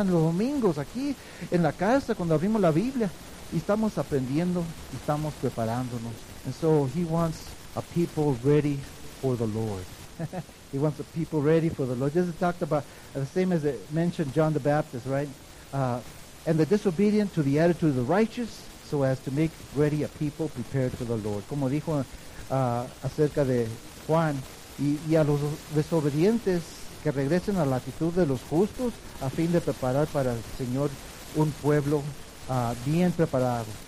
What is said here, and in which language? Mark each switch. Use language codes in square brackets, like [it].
[es] En los domingos, aquí, en la casa, cuando abrimos la Biblia, y estamos aprendiendo, y estamos preparándonos. [en] And so, he wants a people ready for the Lord. He wants a people ready for the Lord. Just talked about, the same as it mentioned John the Baptist, right? And the disobedient to the attitude of the righteous, so as to make ready a people prepared for the Lord. [es] Como dijo acerca de Juan, y a los desobedientes que regresen a la actitud de los justos, a fin de preparar para el Señor un pueblo bien preparado.